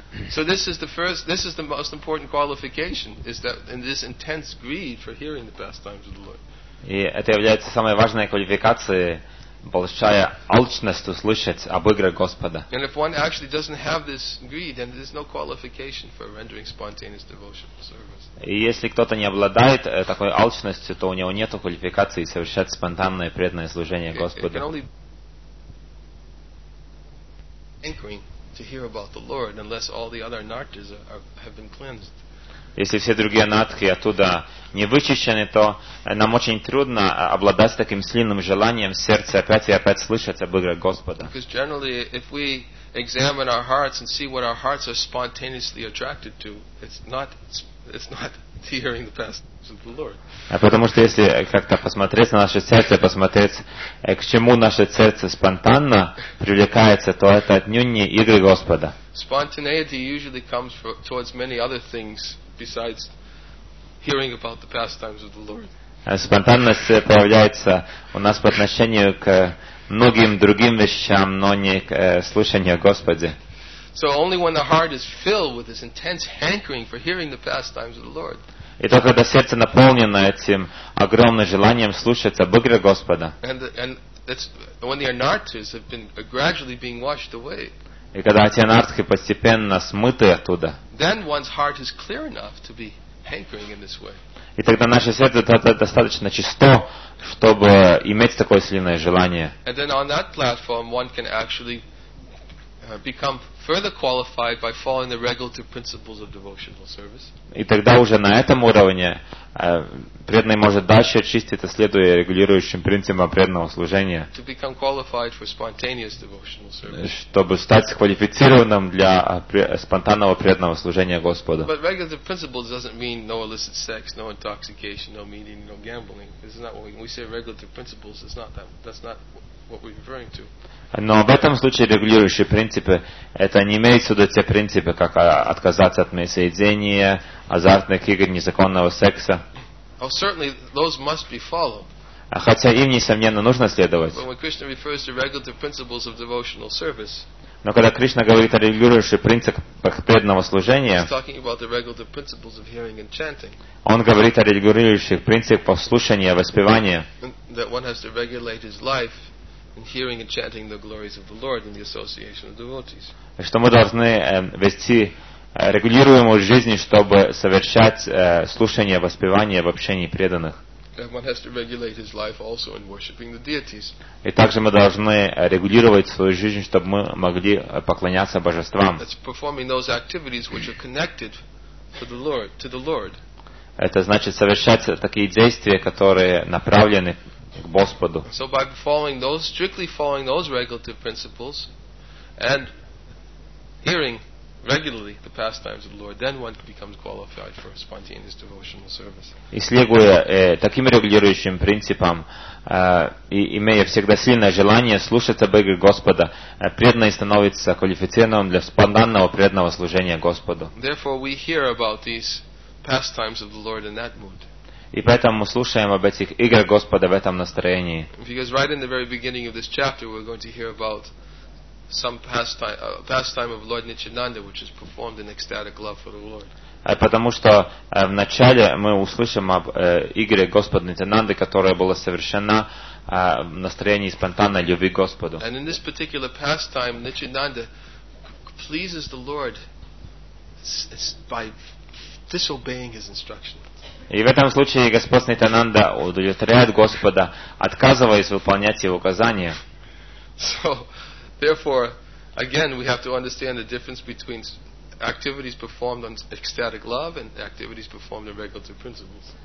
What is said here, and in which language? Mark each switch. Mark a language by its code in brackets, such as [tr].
[en] So this is the most important qualification is that in this intense greed for hearing the pastimes of the Lord. [ru] И это является самой важной квалификацией, большая алчность услышать об играх Господа. [en] And if one actually doesn't have this greed, then there's no qualification for rendering spontaneous devotional service. [ru] И если кто-то не обладает такой алчностью, то у него нет квалификации совершать спонтанное преданное служение Господу. [en] To hear about the Lord, unless all the other nartis have been cleansed. [ru] Если все другие натхи оттуда не вычищены, то нам очень трудно обладать таким сильным желанием в сердце опять и опять слышать об играх Господа. [en] Because generally, if we examine our hearts and see what our hearts are spontaneously attracted to, it's not hearing the pastimes of the Lord. [ru] Потому что если как-то посмотреть на наше сердце, посмотреть, к чему наше сердце спонтанно привлекается, то это отнюдь не игры Господа. [en] Spontaneity usually comes towards many other things besides hearing about the pastimes of the Lord. [ru] Спонтанность появляется у нас по отношению к многим другим вещам, но не к слушанию о Господе. [en] So only when the heart is filled with this intense hankering for hearing the pastimes of the Lord. [ru] И только когда сердце наполнено этим огромным желанием слушать об играх Господа. [en] And that's when the anarthas have been gradually being washed away. [ru] И когда эти анартхи постепенно смыты оттуда. [en] Then one's heart is clear enough to be hankering in this way. [ru] И тогда наше сердце достаточно чисто, чтобы иметь такое сильное желание. [en] And then on that platform one can actually become further qualified by following the regulative principles of devotional service. [ru] И тогда уже на этом уровне преданный может дальше очиститься, следуя регулирующим принципам преданного служения. [en] To become qualified for spontaneous devotional service. [ru] Чтобы стать квалифицированным для спонтанного преданного служения Господу. [en] But regulative principles doesn't mean no illicit sex, no intoxication, no meeting, no gambling. This is not what we say regulative principles. It's not that. That's not what we're referring to. [ru] Но в этом случае регулирующие принципы это не имеется в виду те принципы, как отказаться от мясоедения, азартных игр, незаконного секса. [en] Certainly those must be followed. [ru] Хотя им, несомненно, нужно следовать. [en] When Krishna refers to regulative principles of devotional service, [ru] но когда Кришна говорит о регулирующих принципах преданного служения, [en] he's talking about the regulative principles of hearing and chanting. [ru] Он говорит о регулирующих принципах слушания, воспевания. [en] That one has to regulate his life in hearing and chanting the glories of the Lord in the association of devotees. [ru] Что мы должны вести регулируемую жизнь, чтобы совершать слушание, воспевание в общении преданных. [en] One has to regulate his life also in worshiping the deities. [ru] И также мы должны регулировать свою жизнь, чтобы мы могли поклоняться божествам. [en] That's performing those activities which are connected to the Lord. [ru] Это значит совершать такие действия, которые направлены к Господу. [en] So by following those, strictly following those regulative principles and hearing regularly the pastimes of the Lord, then one becomes qualified for spontaneous devotional service. [ru] И следуя таким регулирующим принципам, и имея всегда сильное желание слушать об игре Господа, преданный становится квалифицированным для спонтанного преданного служения Господу. [en] Therefore we hear about these pastimes of the Lord in that mood. [ru] И поэтому мы слушаем об этих играх Господа в этом настроении. [en] Because right in the very beginning of this chapter we're going to hear about some pastime of Lord Nityananda which is performed in ecstatic love for the Lord. [ru] Потому что в начале мы услышим об игре Господа Нитянанды, которая была совершена в настроении спонтанной любви к Господу. [en] And in this particular pastime Nityananda pleases the Lord by disobeying his instructions. [ru] И в этом случае Господь Нитянанда удовлетворяет Господа, отказываясь выполнять Его указания. [en] So, therefore, again, we have to understand the difference between activities performed on ecstatic love and activities performed on regulative principles.